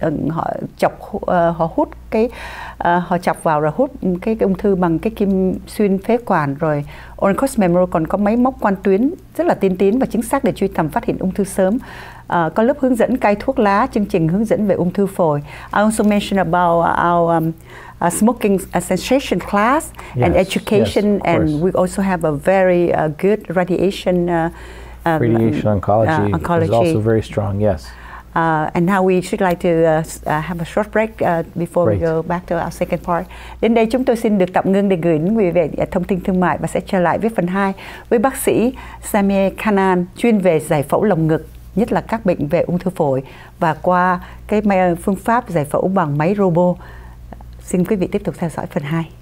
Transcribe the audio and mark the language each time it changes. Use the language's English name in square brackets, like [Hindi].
[Vietnamese] họ chọc họ hút cái họ chọc vào rồi hút cái ung thư bằng cái kim xuyên phế quản, rồi Oncos Memory còn có máy móc quan tuyến rất là tiên tiến và chính xác để truy tầm phát hiện ung thư sớm. Có lớp hướng dẫn cai thuốc lá, chương trình hướng dẫn về ung thư phổi. [English] I also mentioned about our smoking cessation class and education, and we also have a very good radiation radiation oncology is also very strong. Yes. And now we should like to have a short break before we go back to our second part. [Vietnamese] Đến đây chúng tôi xin được tạm ngưng để gửi đến quý vị thông tin thương mại và sẽ trở lại với phần 2 với bác sĩ Samir Khanan chuyên về giải phẫu lồng ngực, nhất là các bệnh về ung thư phổi và qua cái phương pháp giải phẫu bằng máy robot. Xin quý vị tiếp tục theo dõi phần 2.